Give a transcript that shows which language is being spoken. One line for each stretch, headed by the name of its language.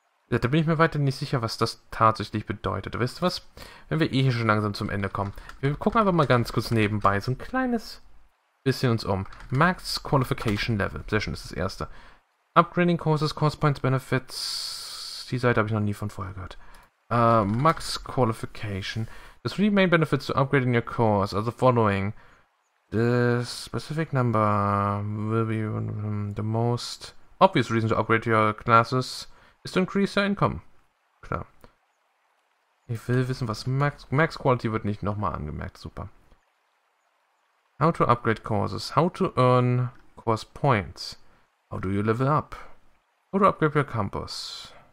German: Ja, da bin ich mir weiter nicht sicher, was das tatsächlich bedeutet. Weißt du was? Wenn wir eh hier schon langsam zum Ende kommen, wir gucken einfach mal ganz kurz nebenbei so ein kleines bisschen uns um.
English: Max Qualification Level.
German: Sehr schön, das ist das erste.
English: Upgrading Courses, Course Points, Benefits.
German: Die Seite habe ich noch nie von vorher gehört.
English: Max Qualification. The three main benefits to upgrading your course are the following. The specific number will be the most obvious reason to upgrade your classes is to increase your income.
German: Klar. Ich will wissen, was Max Quality wird nicht nochmal angemerkt.
English: Super. How to upgrade courses. How to earn course points. How do you level up? How to upgrade your campus.